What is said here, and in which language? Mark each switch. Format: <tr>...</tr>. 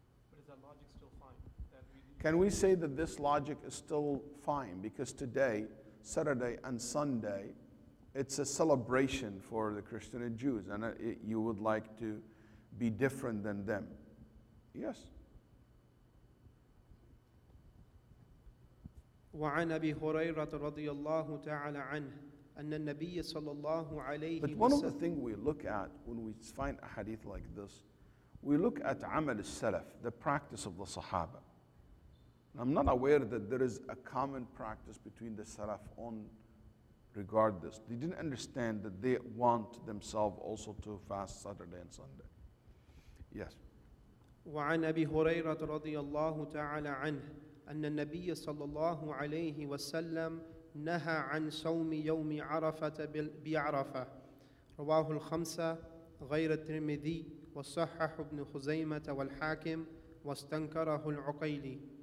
<en>But is that logic still fine? Can we say that this logic is still fine? Because today, Saturday and Sunday, it's a celebration for the Christian and Jews. And you would like to be different than them. Yes.</en> <ar>وعن أبي هريرة رضي الله تعالى عنه أن النبي صلى الله عليه وسلم.</ar> <en>But one of the things we look at when we find a hadith like this, we look at عمل السلف, the practice of the صحابة. And I'm not aware that there is a common practice between the salaf on regard this. They didn't understand that they want themselves also to fast Saturday and Sunday. Yes.</en> <ar>وعن أبي هريرة رضي الله تعالى عنه أن النبي صلى الله عليه وسلم نهى عن صوم يوم عرفة بعرفة رواه الخمسة غير الترمذي وصحح ابن خزيمة والحاكم واستنكره العقيلي.</ar>